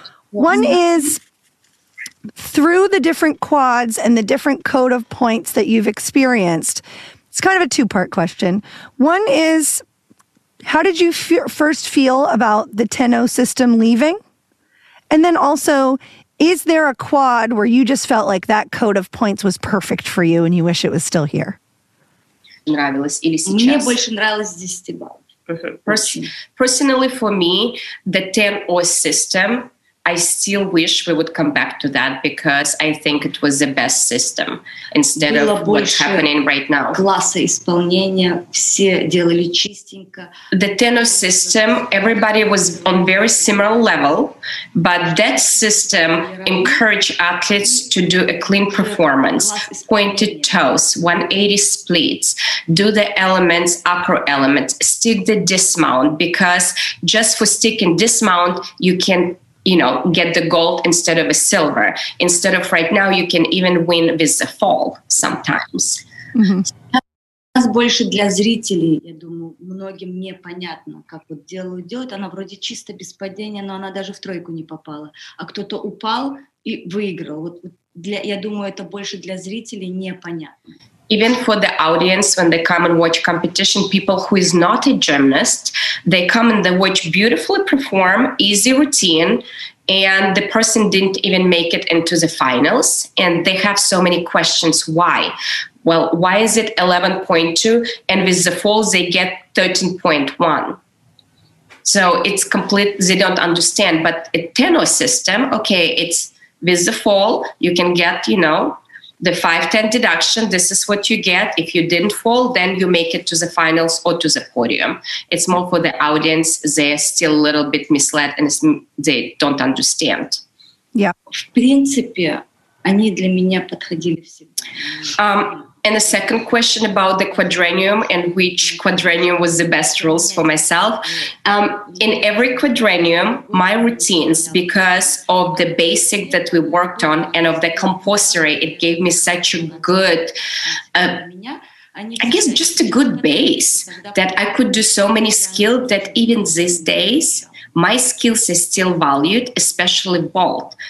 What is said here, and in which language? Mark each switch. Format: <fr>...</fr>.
<en>One is, through the different quads and the different code of points that you've experienced, it's kind of a two-part question. One is, how did you first feel about the 10-0 system leaving? And then also, is there a quad where you just felt like that code of points was perfect for you and you wish it was still here?</en> <ru>Мне больше нравилось 10 баллов.</ru> <en>Personally, for me, the 10-0 system, I still wish we would come back to that because I think it was the best system instead of what's happening right now.</en> <ru>Классы исполнения, все делали чистенько.</ru> <en>The 10-0 system, everybody was on very similar level, but that system encouraged athletes to do a clean performance, pointed toes, 180 splits, do the elements, acro elements, stick the dismount, because just for sticking dismount, you can, you know, get the gold instead of a silver. Instead of right now, you can even win with the fall sometimes.</en> <ru>Сейчас больше для зрителей, я думаю, многим непонятно, как вот делают. Она вроде чисто без падения, но она даже в тройку не попала. А кто-то упал и выиграл. Вот для, я думаю, это больше для зрителей непонятно.</ru> <en>Even for the audience, when they come and watch competition, people who is not a gymnast, they come and they watch beautifully perform, easy routine, and the person didn't even make it into the finals, and they have so many questions. Why? Well, why is it 11.2, and with the falls, they get 13.1? So it's complete, they don't understand, but a 10-0 system, okay, it's with the fall, you can get, you know, the 5-10 deduction, this is what you get. If you didn't fall, then you make it to the finals or to the podium. It's more for the audience. They're still a little bit misled and they don't understand. Yeah.</en> <ru>В принципе, они для меня подходили всегда.</ru> <en>And the second question about the quadrennium and which quadrennium was the best rules for myself. In every quadrennium, my routines, because of the basic that we worked on and of the compulsory, it gave me such a good, I guess just a good base that I could do so many skills that even these days, my skills are still valued, especially vault.</en>